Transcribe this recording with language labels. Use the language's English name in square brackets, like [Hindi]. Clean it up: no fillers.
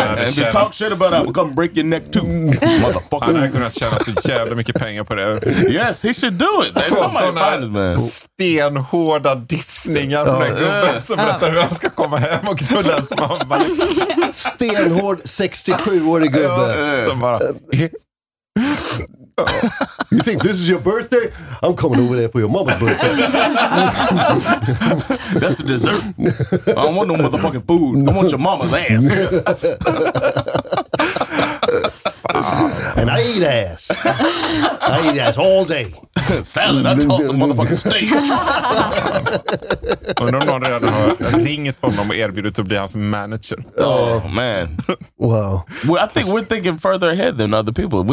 [English] If you talk shit about it, I'll come break your neck too. Motherfucker. [Swedish] Han hade kunnat tjäna så jävla mycket pengar på det. [English] Yes, he should do it. [Swedish] Stenhårda dissningar från den gubben som berättar hur han ska komma hem och knulla. Stenhård 67-årig gubbe. [English] You think this is your birthday? I'm coming over there for your mama's birthday. That's the dessert. I don't want no motherfucking food. I want your mama's ass. And I eat ass. I eat ass all day. Salad, I toss a motherfucking steak. [Swedish] Undrar om någon redan har ringt honom och erbjudit att bli hans manager. [English] Oh man. Wow. Well, I think we're thinking further ahead than other people.